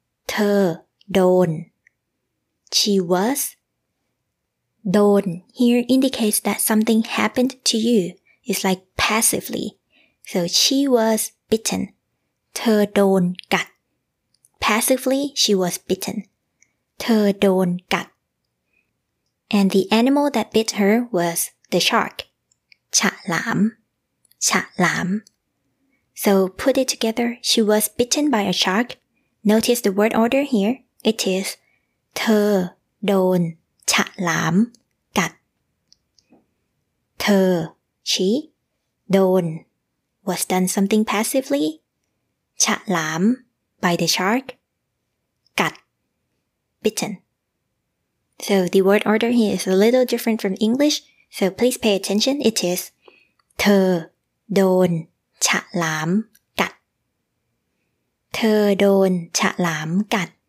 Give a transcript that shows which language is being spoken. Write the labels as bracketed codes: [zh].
[th] เธอโดน [en] she was [th] โดน [en] here indicates that something happened to you it's like passively so she was bitten [th] เธอโดนกัด [en] passively she was bitten เธอโดนกัด and the animal that bit her was the shark [th] ฉลามฉลาม [en] So put it together, she was bitten by a shark. Notice the word order here. It is [th] เธอโดนฉลามกัดเธอ [en] she [th] โดน [en] was done something passively [th] ฉลาม [en] by the shark [th] กัด [en] bitten. So the word order here is a little different from English. So please pay attention. [th] It is เธอโดนฉลามกัดเธอโดนฉลามกัด